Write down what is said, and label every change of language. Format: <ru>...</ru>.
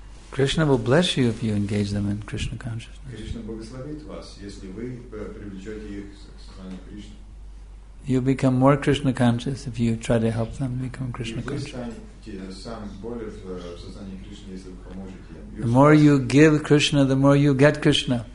<en>Krishna will bless you if you engage them in Krishna consciousness.</en> <ru>Krishna благословит вас, если вы привлечете их к сознанию Кришны.</ru> <en>You'll become more Krishna conscious if you try to help them become Krishna conscious. The more you give Krishna, the more you get Krishna.</en>